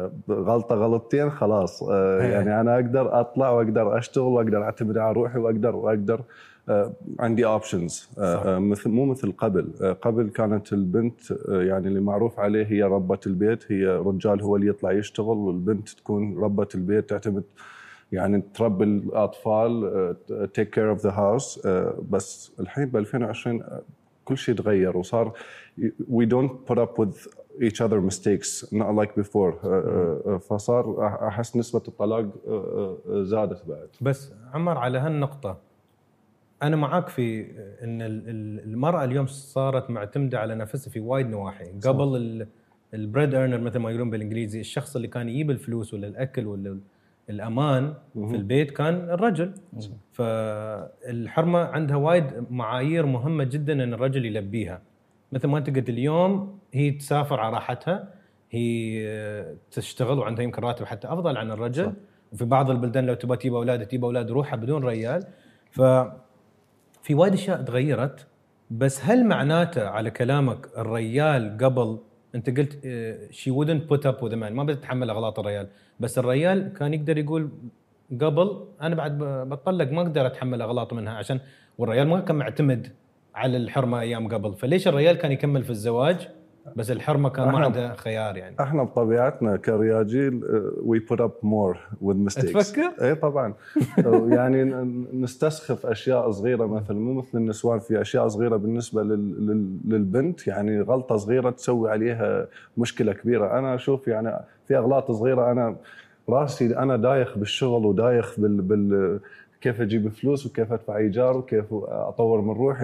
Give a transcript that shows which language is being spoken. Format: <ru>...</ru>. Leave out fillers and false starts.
<ar>غلطة غلطتين خلاص، يعني أنا أقدر أطلع وأقدر أشتغل وأقدر أعتمد على روحي وأقدر عندي options، مو مثل قبل. قبل كانت البنت يعني اللي معروف عليه هي ربة البيت، هي رجال هو اللي يطلع يشتغل، والبنت تكون ربة البيت، تعتمد يعني تربي الأطفال،</ar> <en>take care of the house.</en> <ar>بس الحين ب 2020 كل شيء تغير، وصار</ar> <en>we don't put up with each other mistakes not like before.</en> <ar>فصار أحس نسبة الطلاق زادت بعد. بس عمر على هالنقطة أنا معاك في أن المرأة اليوم صارت معتمدة على نفسها في وايد نواحي. قبل البريد أرنر مثل ما يقولون بالإنجليزي، الشخص اللي كان يجيب الفلوس ولا الأكل ولا الأمان في البيت كان الرجل. فالحرمة عندها وايد معايير مهمة جدا أن الرجل يلبيها، مثل ما تقول اليوم هي تسافر على راحتها، هي تشتغل وعندها يمكن راتب حتى أفضل عن الرجل. وفي بعض البلدان لو تبى تجيب أولاد تجيب أولاد روحها بدون ريال. ففي وايد أشياء تغيرت. بس هل معناته على كلامك الريال قبل، أنت قلت</ar> <en>she wouldn't put up with the man،</en> <ar>ما بتتحمل أغلاط الريال، بس الريال كان يقدر يقول قبل أنا بعد بطلق ما أقدر أتحمل أغلاط منها، عشان والريال ما كان معتمد على الحرمة أيام قبل. فليش الريال كان يكمل في الزواج بس الحرمة كان ما عنده خيار؟ يعني احنا بطبيعتنا كرياجيل</ar> <en>we put up more with mistakes.</en> <ar>أتفكر؟ اي طبعا. يعني نستسخف أشياء صغيرة، مثلا مو مثل النسوان، في أشياء صغيرة بالنسبة للبنت يعني غلطة صغيرة تسوي عليها مشكلة كبيرة. أنا أشوف يعني في أغلاط صغيرة، أنا راسي أنا دايخ بالشغل ودايخ بال كيف أجيب فلوس وكيف أدفع إيجار وكيف أطور من روحي.</ar>